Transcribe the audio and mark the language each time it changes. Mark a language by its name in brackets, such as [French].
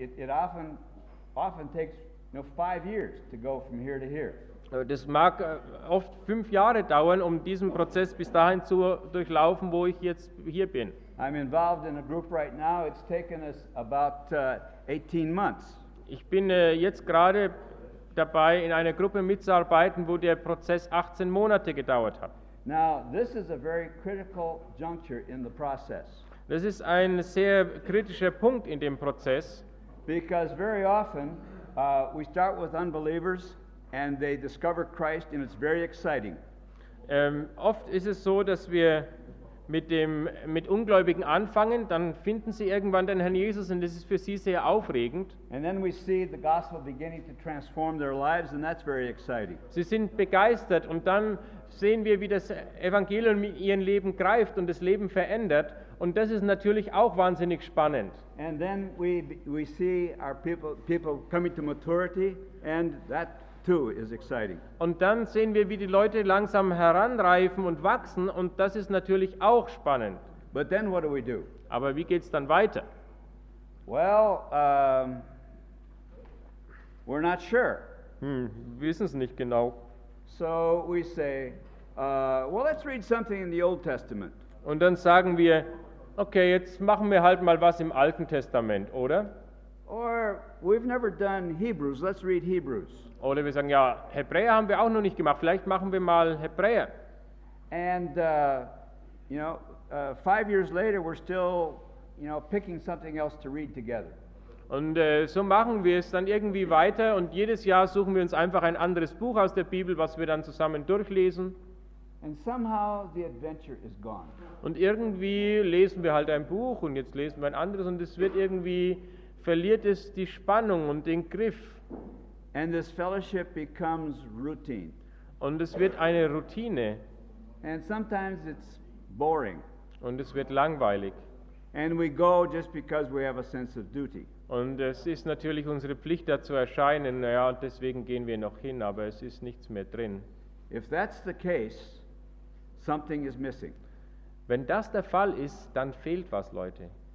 [English] It often takes, you know, 5 years to go from here to here. [German] Das mag oft 5 Jahre dauern, um diesen Prozess bis dahin zu durchlaufen, wo ich jetzt hier bin. [English] I'm involved in a group right now. It's taken us about 18 months. [German] Ich bin jetzt gerade dabei, in einer Gruppe mitzuarbeiten, wo der Prozess 18 Monate gedauert hat. [English] Now, this is a very critical juncture in the process. [German] Das ist ein sehr kritischer Punkt in dem Prozess. [English] Because very often we start with unbelievers and they discover Christ and it's very exciting. [German] Oft ist es so, dass wir mit Ungläubigen anfangen, dann finden sie irgendwann den Herrn Jesus und das ist für sie sehr aufregend. [English] And then we see the gospel beginning to transform their lives and that's very exciting. [German] Sie sind begeistert und dann sehen wir, wie das Evangelium in ihrem Leben greift und das Leben verändert. Und das ist natürlich auch wahnsinnig spannend. [English] And then we see our people coming to maturity, and that too is exciting. [German] Und dann sehen wir, wie die Leute langsam heranreifen und wachsen, und das ist natürlich auch spannend. [English] But then what do we do? [German] Aber wie geht's dann weiter? [English] Well, we're not sure. [German] Wir wissen es nicht genau. [English] So we say, let's read something in the Old Testament. [German] Und dann sagen wir, okay, jetzt machen wir halt mal was im Alten Testament, oder? [English] Or we've never done Hebrews. Let's read Hebrews. [German] Oder wir sagen, ja, Hebräer haben wir auch noch nicht gemacht. Vielleicht machen wir mal Hebräer. [English] And, 5 years later, we're still, you know, picking something else to read together. [German] Und so machen wir es dann irgendwie weiter. Und jedes Jahr suchen wir uns einfach ein anderes Buch aus der Bibel, was wir dann zusammen durchlesen. [English] And somehow the adventure is gone. [German] Und irgendwie lesen wir halt ein Buch und jetzt lesen wir ein anderes und es wird irgendwie, verliert es die Spannung und den Griff. [English] And this fellowship becomes routine. [German] Und es wird eine Routine. [English] And sometimes it's boring. [German] Und es wird langweilig. [English] And we go just because we have a sense of duty. [German] Und es ist natürlich unsere Pflicht, da zu erscheinen. Naja, und deswegen gehen wir noch hin, aber es ist nichts mehr drin. [English] If that's the case, something is missing. [German] Wenn das der Fall ist, dann fehlt was, Leute.